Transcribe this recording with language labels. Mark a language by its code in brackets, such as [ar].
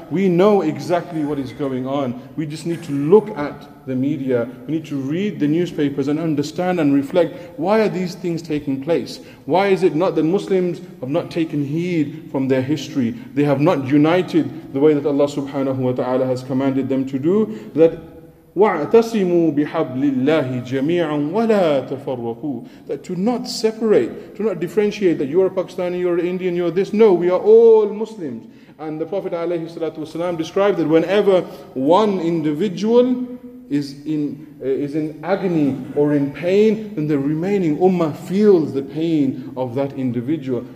[en] We know exactly what is going on. We just need to look at the media. We need to read the newspapers and understand and reflect, why are these things taking place? Why is it not that Muslims have not taken heed from their history? They have not united the way that Allah subhanahu wa ta'ala has commanded them to do. That [ar] وَاَعْتَصِمُوا بِحَبْلِ اللَّهِ جَمِيعًا وَلَا تَفَرَّقُوا. [en] That to not separate, to not differentiate that you're a Pakistani, you're an Indian, you're this. No, we are all Muslims. And the Prophet ﷺ described that whenever one individual is in agony or in pain, then the remaining ummah feels the pain of that individual.